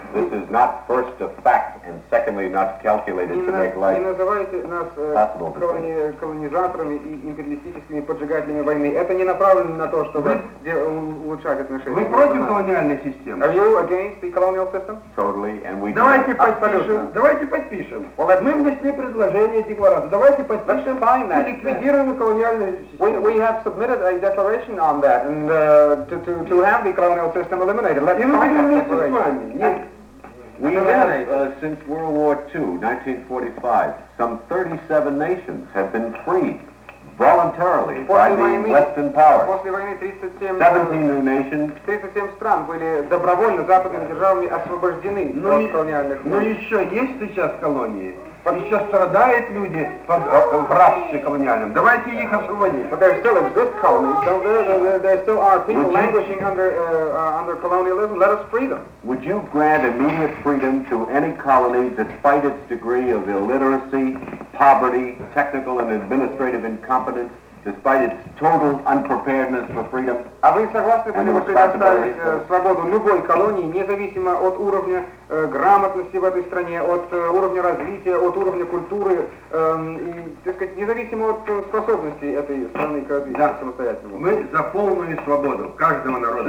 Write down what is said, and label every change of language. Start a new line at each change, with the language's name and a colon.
English: This is not first a fact, and secondly, not calculated to make life.
Russian: Не называйте нас колонизаторами и империалистическими поджигателями войны. Это не направлено на то, чтобы улучшать отношения. Вы против колониальной системы?
English: Are you against the colonial system? Totally, and we.
Russian: Давайте подпишем. Давайте подпишем. Вот мы внесли предложение декларации. Давайте подпишем.
English: Let's sign that.
Russian: Ликвидируем колониальную систему.
English: We have submitted a declaration on that, and to have the colonial system eliminated. Let's sign that declaration. We have, since World War II, 1945, some 37 nations have been freed voluntarily by the Western powers. 17 new nations.
Russian: 37 стран были добровольно западными державами освобождены от колониальных войн. Но еще есть сейчас колонии. Еще страдают люди в рабстве колониальном. Давайте их освободим.
English: But there still exist colonies. So there still are people languishing under colonialism. Let us free them. Would you grant immediate freedom to any colony despite its degree of illiteracy, poverty, technical and administrative incompetence, despite its total unpreparedness for freedom?
Russian: А вы согласны были бы предоставить свободу любой колонии, независимо от уровня грамотности в этой стране, от уровня развития, от уровня культуры, и, так сказать, независимо от способности этой страны к самостоятельному? Мы за полную свободу каждого народа.